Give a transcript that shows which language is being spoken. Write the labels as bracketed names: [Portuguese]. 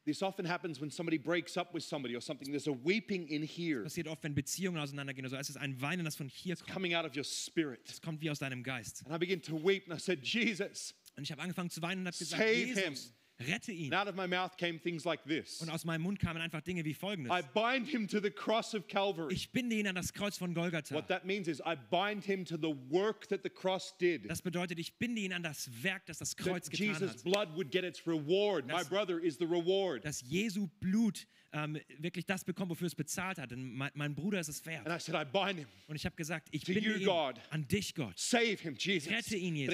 [English] This often happens when somebody breaks up with somebody or something. There's a weeping in here. [German] Das passiert oft, wenn Beziehungen auseinandergehen oder so. Es ist ein Weinen, das von hier kommt. [English] Coming out of your spirit. [German] Es kommt wie aus deinem Geist. [English] And I began to weep and I said, Jesus. [German] Und ich habe angefangen zu weinen und habe gesagt, Jesus, [English] him. [German] Rette ihn. [English] And out of my mouth came things like this. [German] Und aus meinem Mund kamen einfach Dinge wie Folgendes. [English] I bind him to the cross of Calvary. [German] Ich binde ihn an das Kreuz von Golgatha. [English] What that means is, I bind him to the work that the cross did. [German] Das bedeutet, ich binde ihn an das Werk, das das Kreuz getan hat. [English] Jesus' blood would get its reward. Das, my brother is the reward. [German] Dass Jesu Blut wirklich das bekommt, wofür es bezahlt hat. Denn mein Bruder ist es wert. [English] And I said, I bind him. [German] Und ich habe gesagt, ich binde ihn [English] God. [German] An dich, Gott. [English] Save him, Jesus. [German] Rette ihn, Jesus.